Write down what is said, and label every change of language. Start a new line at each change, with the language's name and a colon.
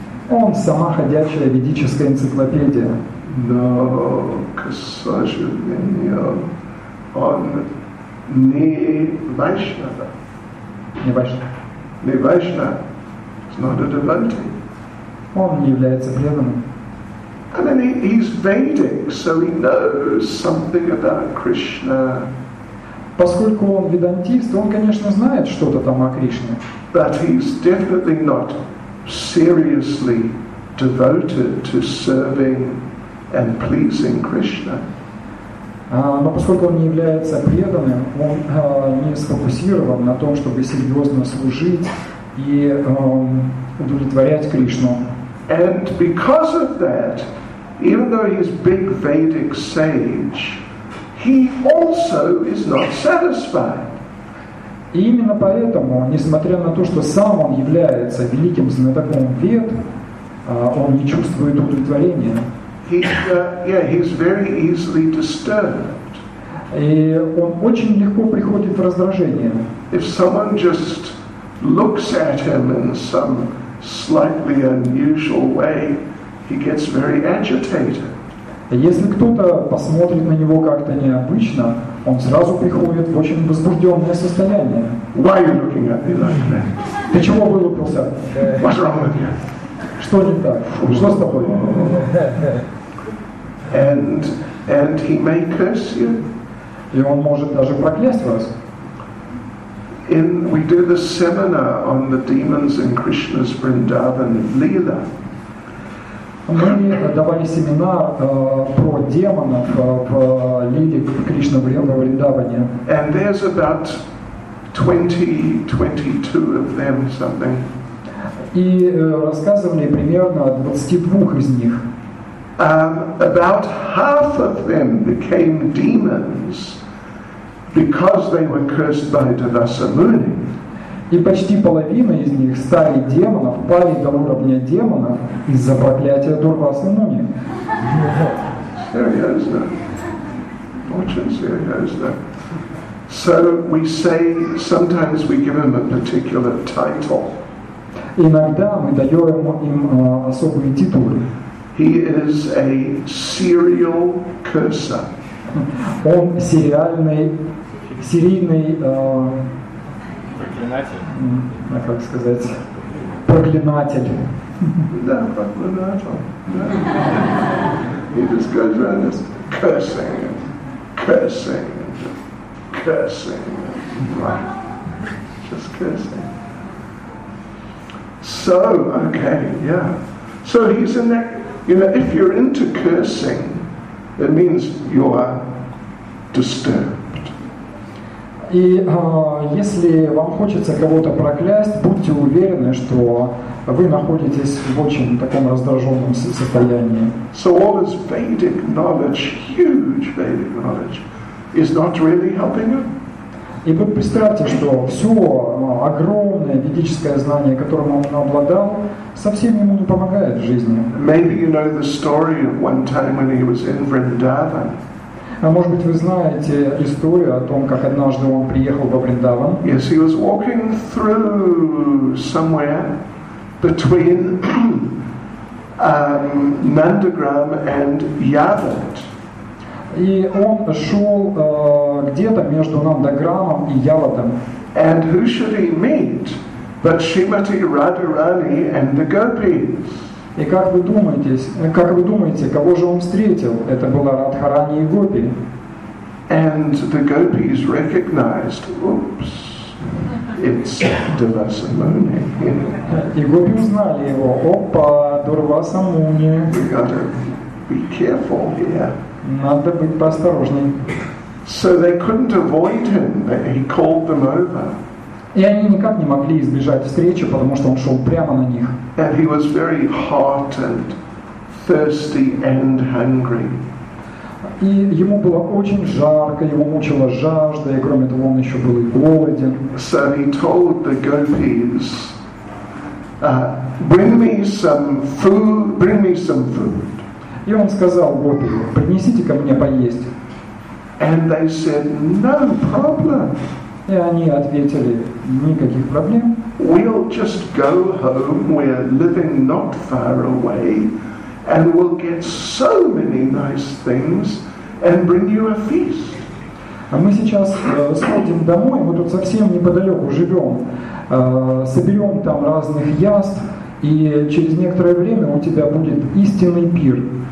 Russian: Он сама ходячая ведическая энциклопедия. Но, к сожалению, он не Вайшнава. Не Вайшнава. Не Вайшнава.
English: Not a devotee.
Russian: Он не является преданным.
English: And then he's Vedic, so he knows something about Krishna.
Russian: Поскольку он ведантист, он, конечно, знает что-то там о Кришне.
English: But he's definitely not seriously devoted to serving and pleasing Krishna.
Russian: Но поскольку он не является преданным, он не сфокусирован на том, чтобы серьезно служить и удовлетворять Кришну.
English: And because of that, even though he's big Vedic sage, he also is not satisfied.
Russian: И именно поэтому, несмотря на то, что сам он является великим знатоком Вед, он не чувствует удовлетворения.
English: He's very easily disturbed.
Russian: И он очень легко приходит в раздражение.
English: If someone just looks at him in some slightly unusual way, he gets very agitated.
Russian: Если кто-то посмотрит на него как-то необычно, он сразу приходит в очень возбужденное состояние.
English: Why are you looking at me like that?
Russian: Ты чего вылупился?
English: What's wrong with you?
Russian: Что не так? Что с тобой?
English: And he may curse you.
Russian: И он может даже проклясть вас.
English: We did a seminar on the demons in Krishna's Vrindavan Leela.
Russian: Мы давали семинар про демонов в Лиле Кришна Вриндаване.
English: And there's about 20-22 of them, something.
Russian: И рассказывали примерно о 22 из них.
English: About half of them became demons because they were cursed by Devasa Muni.
Russian: И почти половина из них стали демонов, пали до уровня демонов из-за проклятия Дурвасы Муни. Серьезно? Очень серьезно.
English: So we say, sometimes we give them a particular title.
Russian: Иногда мы даем им особые титулы.
English: He is a serial cursor.
Russian: Он сериальный, серийный, проклинатель. Как сказать? Проклинатель. Да, проклинатель.
English: He just goes around just cursing, cursing, cursing. Just cursing. So, okay, yeah. So he's in that. You know, if you're into cursing, it means you are disturbed.
Russian: И если вам хочется кого-то проклясть, будьте уверены, что вы находитесь в очень таком раздраженном состоянии.
English: So all this Vedic knowledge, huge Vedic knowledge, is not really helping you.
Russian: И вы представьте, что все огромное ведическое знание, которым он обладал, совсем ему не помогает в жизни.
English: Maybe you know the story of one time when he was in Vrindavan.
Russian: А может быть, вы знаете историю о том, как однажды он приехал во Вриндаван?
English: Yes, he was walking through somewhere between Nandagram and Yavat.
Russian: И он шел где-то между Нандаграмом и Яватом.
English: And who should he meet but Shrimati Radharani and the gopis?
Russian: И как вы думаете, кого же он встретил? Это была Радхарани и гопи.
English: And the gopis recognized, oops, it's Devasa Muni.
Russian: И гопи узнали его, опа, Дурваса Муни.
English: We gotta be careful here.
Russian: Надо быть поосторожней.
English: So they couldn't avoid him, but he called them over.
Russian: И они никак не могли избежать встречи, потому что он шел прямо на них.
English: And he was very hot and thirsty and hungry.
Russian: И ему было очень жарко, его мучила жажда, и кроме того, он еще был и голоден.
English: So he told the gopis, bring me some food.
Russian: И он сказал гопи, принесите ко мне поесть.
English: And they said, no problem.
Russian: И они ответили, никаких проблем.
English: We'll just go home, we're living not far away, and we'll get so many nice things and bring you a feast.
Russian: А мы сейчас сходим домой, мы тут совсем неподалеку живем, соберем там разных яств, и через некоторое время у тебя будет истинный пир.